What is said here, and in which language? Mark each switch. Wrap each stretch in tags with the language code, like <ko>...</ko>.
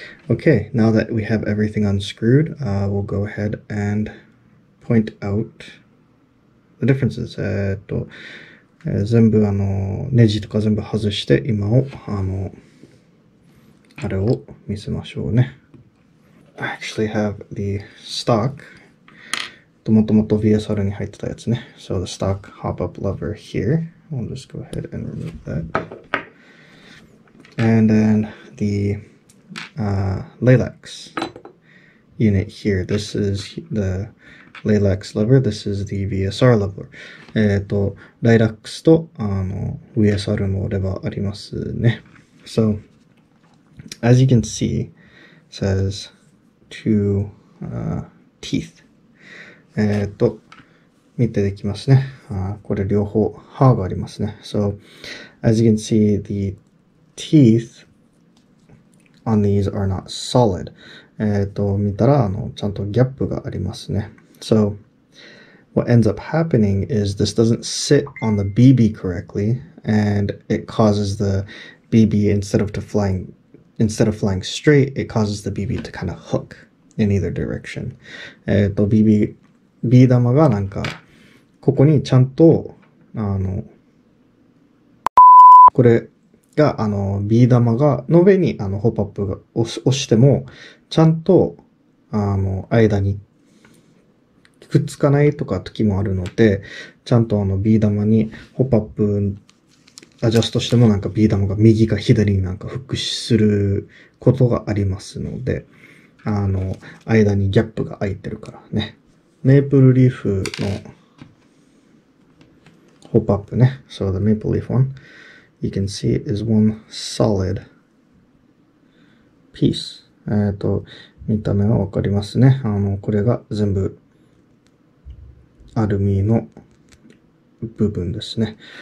<en>Okay, now that we have everything unscrewed, we'll go ahead and point out the differences.</en> <ja>全部ネジとか全部外して、今をあれを見せましょうね。</ja> <en>I actually have the stock.</en> <ja>もともと VSR に入ってたやつね。</ja> <en>So the stock hop-up lever here. We'll just go ahead and remove that. And then the... Lelex unit here. This is the Lelex lever. This is the VSR lever.</en> <ja>Lelex とVSR のレバーありますね。</ja> <en>So, as you can see, it says two teeth.</en> <ja>見てできますね。これ両方歯がありますね。</ja> <en>So, as you can see, the teeth. On these are not solid.</en> <ja>見たらちゃんとギャップがありますね。</ja> <en>So, what ends up happening is this doesn't sit on the BB correctly, and it causes the BB instead of flying straight, it causes the BB to kind of hook in either direction.</en> <ja>BB 玉がなんかここにちゃんとこれが、B 玉が、の上に、ホップアップが押しても、ちゃんと、間に、くっつかないとか時もあるので、ちゃんと B 玉に、ホップアップ、アジャストしても、なんか B 玉が右か左になんかフックすることがありますので、間にギャップが空いてるからね。メープルリーフの、ホップアップね。</ja> <en>So the maple leaf one. You can see it is one solid piece.</en> <ja>見た目はわかりますね。これが全部アルミの部分ですね。</ja>